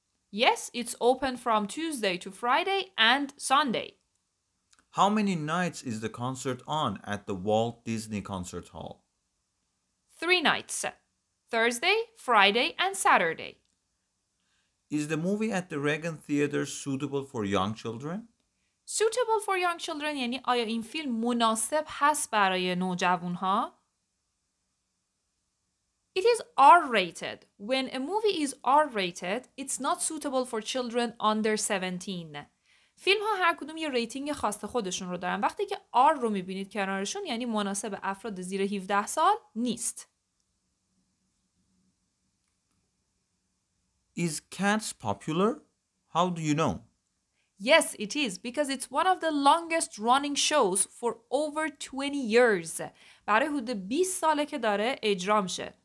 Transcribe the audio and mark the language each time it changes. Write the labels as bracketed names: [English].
[English] Yes, it's open from Tuesday to Friday and Sunday. How many nights is the concert on at the Walt Disney Concert Hall? 3 nights. Thursday, Friday, and Saturday. Is the movie at the Reagan Theater suitable for young children? Suitable for young children [Persian] یعنی آیا این فیلم مناسب هست برای نوجوان ها؟ [English] It is R-rated. When a movie is R-rated, it's not suitable for children under 17. [Persian] فیلم ها هر کدوم یه ریتینگ خاص خودشون رو دارن. وقتی که R رو میبینید کنارشون یعنی مناسب افراد زیر 17 سال نیست. [English] Is cats popular? How do you know? Yes, it is because it's one of the longest running shows for over 20 years. [Persian] برای حدود 20 ساله که داره اجرا میشه.